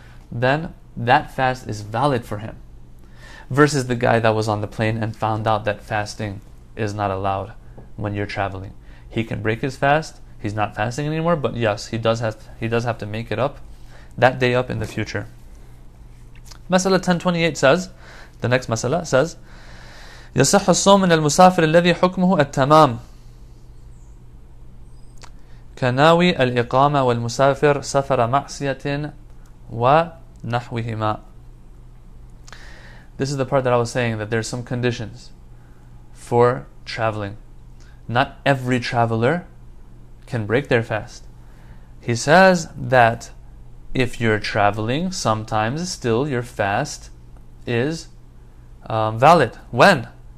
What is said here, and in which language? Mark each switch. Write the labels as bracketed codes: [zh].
[en] Then that fast is valid for him. Versus the guy that was on the plane and found out that fasting is not allowed when you're traveling. He can break his fast. He's not fasting anymore. But yes, he does have to make it up that day up in the future. Masala 1028 says, the next masala says, [ar] يصح الصوم من المسافر الذي حكمه التمام كناوي الإقامة والمسافر سفر معصية ونحوهما. [en] This is the part that I was saying, that there's some conditions for traveling. Not every traveler can break their fast. He says that if you're traveling, sometimes still your fast is valid. When?